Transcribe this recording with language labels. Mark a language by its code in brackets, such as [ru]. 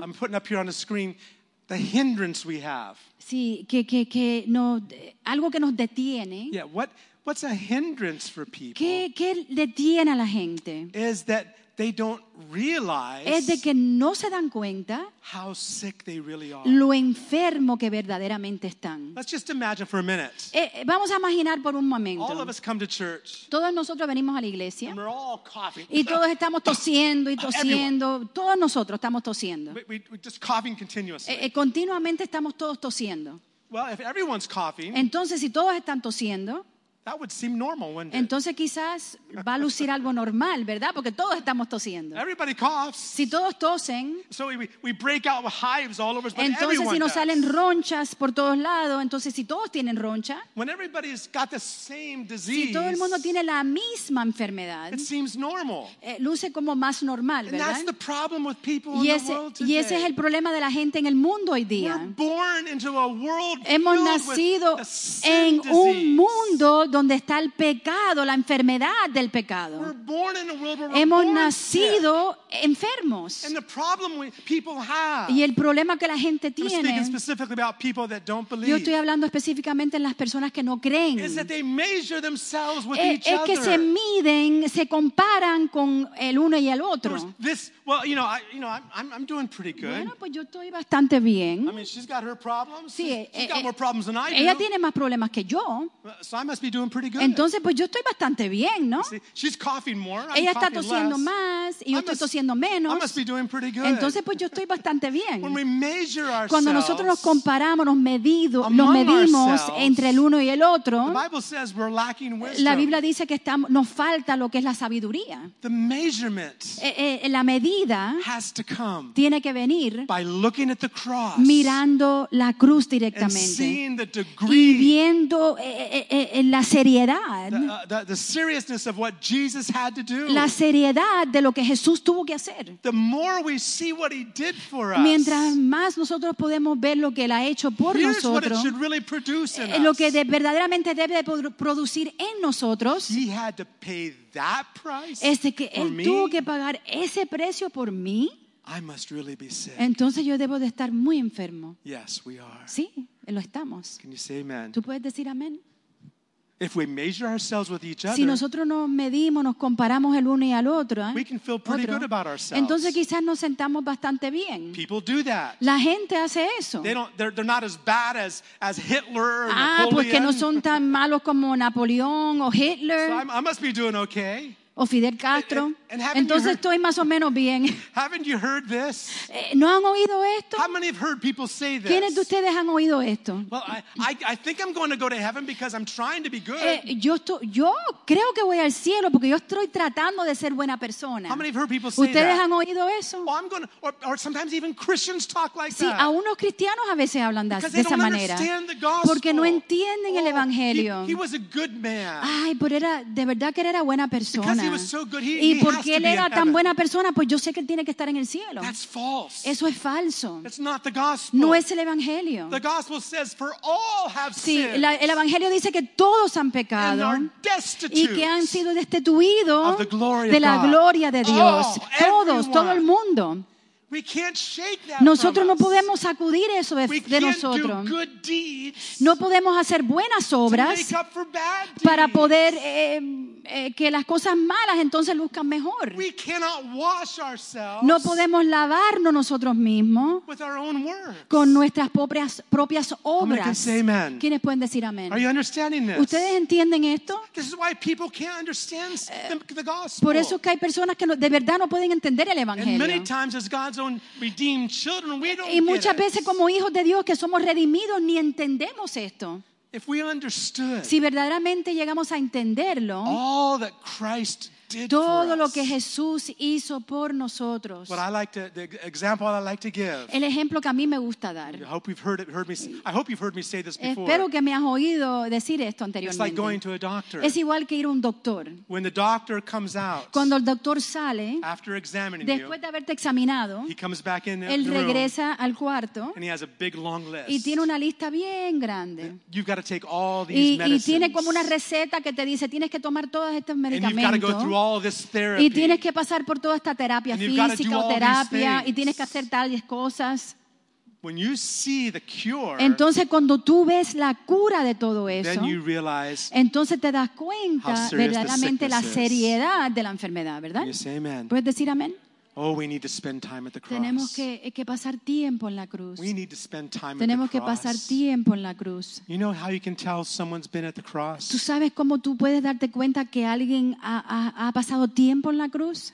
[en] I'm putting up here on the screen the hindrance we have. [es] Sí, que no, algo que nos detiene. [en] Yeah, what's a hindrance for people? [es] ¿Qué detiene a la gente? [en] Is that they don't realize [es] es de que no se dan cuenta [en] how sick they really are. [es] Lo enfermo que verdaderamente están. [en] Let's just imagine for a minute. [es] Vamos a imaginar por un momento. [en] All of us come to church. [es] Todos nosotros venimos a la iglesia. [en] And we're all coughing. [es] Y todos estamos tosiendo y tosiendo. [en] Everyone. [es] Todos nosotros estamos tosiendo. [en] We're just coughing continuously. [es] Continuamente estamos todos tosiendo. [en] Well, if everyone's coughing, [es] entonces si todos están tosiendo. [en] That would seem normal, wouldn't it? [es] Entonces quizás va a lucir algo normal, ¿verdad? Porque todos estamos tosiendo. [en] Everybody coughs. [es] Si todos tosen. [en] So we break out with hives all over. [es] Entonces [en] everyone [es] si nos Salen ronchas por todos lados. Entonces si todos tienen roncha. [en] When everybody's got the same disease. [es] Si todo el mundo tiene la misma enfermedad. [en] It seems normal. [es] Luce como más normal, ¿verdad? [en] And that's the problem with people in the world today. [es] Y ese es el problema de la gente en el mundo hoy día. [en] We're born into a world [es] Hemos nacido [en] with the sin [es] en [en] disease. [es] Un mundo donde está el pecado, la enfermedad del pecado. [en] We're born in a world where [es] Hemos [en] we're born [es] nacido [en] sick. [es] Enfermos. [en] And the problem we, people have, [es] y el problema que la gente tiene, [en] I'm speaking specifically about people that don't believe, [es] yo estoy hablando específicamente en las personas que no creen, [en] is that they measure themselves with [es] es [en] each other. [es] Que se miden, se comparan con el uno y el otro. [en] This, well, you know, I'm doing pretty good. [es] Bueno, pues yo estoy bastante bien. [en] I mean, she's got her problems. [es] Sí, [en] she's got more problems than I do. [es] Ella tiene más problemas que yo. [en] So I must be doing pretty good. [es] Entonces, pues yo estoy bastante bien, ¿no? [en] See, she's coughing more, I'm [es] Ella está tosiendo [en] less. [es] Más y yo estoy tosiendo menos. [en] I must be doing pretty good. [es] Entonces, pues yo estoy bastante bien. [en] When we measure ourselves [es] Cuando nosotros nos comparamos, nos medimos entre el uno y el otro, [en] the Bible says we're lacking wisdom. [es] La Biblia dice que nos falta lo que es la sabiduría. [en] The measurement [es] la medida [en] has to come [es] tiene que venir [en] by looking at the cross [es] mirando la cruz directamente [en] and seeing the degree [es] y viendo la seriedad [en] the seriousness of what Jesus had to do. [es] La seriedad de lo que Jesús tuvo que hacer. [en] The more we see what he did for us, [es] mientras más nosotros podemos ver lo que él ha hecho por [en] here's [es] nosotros [en] what it should really produce in [es] lo [en] us. [es] Que verdaderamente debe de producir en nosotros [en] he had to pay that price [es] es de que [en] for [es] él [en] me. [es] Tuvo que pagar ese precio por mí [en] I must really be sick. [es] Entonces yo debo de estar muy enfermo. [en] Yes, we are. [es] Sí, lo estamos. [en] Can you say amen? [es] ¿Tú puedes decir amén? [en] If we measure ourselves with each other, [es] si nosotros nos medimos, nos comparamos el uno y al otro, [en] we can feel pretty good about ourselves. [es] Entonces quizás nos sentamos bastante bien. [en] People do that. [es] La gente hace eso. [en] They're not as bad as Hitler or Napoleon. [es] Ah, porque no son tan malos como Napoleón o Hitler. [en] So I must be doing okay. [es] O Fidel Castro. Entonces estoy más o menos bien. [en] Haven't you heard this? [es] ¿No han oído esto? [en] How many have heard people say this? [es] ¿Quiénes de ustedes han oído esto? [en] Well, I think I'm going to go to heaven because I'm trying to be good. [es] Yo creo que voy al cielo porque yo estoy tratando de ser buena persona. [en] How many have heard people say [es] ¿Ustedes [en] that? [es] Han oído eso? [en] Well, I'm going to, or sometimes even Christians talk like [es] sí, [en] that. [es] Sí, aún los cristianos a veces hablan [en] because [es] de esa manera. [en] Because they don't understand the gospel. [es] Porque no entienden el evangelio. [en] He was a good man. [es] Ay, pero era de verdad que era buena persona. [en] Because he was so good, [es] y porque él era tan buena persona, pues yo sé que él tiene que estar en el cielo. [en] That's false. [es] Eso es falso. [en] It's not the gospel. [es] No es el evangelio. [en] The gospel says for all have [es] sí, la, el evangelio dice que todos han pecado y que han sido destituidos [en] of the glory [es] de [en] of [es] la [en] God. [es] Gloria de Dios. [en] All, [es] todos, [en] everyone. [es] Todo el mundo. [en] We can't shake that. [es] Nosotros [en] from [es] no podemos sacudir eso de nosotros. [en] Do good deeds. [es] No podemos hacer buenas obras [en] to make up for bad deeds. [es] Para poder que las cosas malas entonces luzcan mejor. [en] We cannot wash ourselves. [es] No podemos lavarnos nosotros mismos [en] with our own words. [es] Con nuestras propias obras. ¿Quiénes pueden decir amén? [en] Are you understanding this? [es] ¿Ustedes entienden esto? [en] This is why people can't understand the gospel. [es] Por eso es que hay personas que de verdad no pueden entender el evangelio. [en] And many times as God God's own redeemed children, we don't [es] y muchas veces como hijos de Dios que somos redimidos ni entendemos esto. [en] If we understood [es] si verdaderamente llegamos a entenderlo [en] all that Christ did [es] todo [en] for [es] lo [en] us. [es] Que Jesús hizo por nosotros. [en] What I like to, the example I like to give, [es] el ejemplo que a mí me gusta dar. [en] I hope you've heard it, heard me, I hope you've heard me say this before. [es] Espero que me has oído decir esto anteriormente. [en] It's like going to a doctor. [es] Es igual que ir a un doctor. [en] When the doctor comes out, [es] cuando el doctor sale [en] after examining [es] después [en] you, [es] de haberte examinado [en] he comes back in [es] él [en] the [es] regresa [en] room, [es] al cuarto [en] and he has a big, long list. [es] Y tiene una lista bien grande. [en] You've got to take all these [es] y, [en] medicines. [es] Y tiene como una receta que te dice tienes que tomar todos estos medicamentos. [en] And you've got to go through all this therapy. [es] Y tienes que pasar por toda esta terapia física o terapia y tienes que hacer tales cosas. [en] When you see the cure, [es] entonces cuando tú ves la cura de todo eso, [en] then you realize [es] entonces te das cuenta verdaderamente la seriedad de la enfermedad, ¿verdad? [en] Can you say amen? [es] ¿Puedes decir amén? [en] Oh, we need to spend time at the cross. [es] Tenemos que pasar tiempo en la cruz. [en] We need to spend time [es] tenemos [en] at the cross. [es] Que pasar tiempo en la cruz. [en] You know how you can tell someone's been at the cross? [es] ¿Tú sabes cómo tú puedes darte cuenta que alguien ha pasado tiempo en la cruz?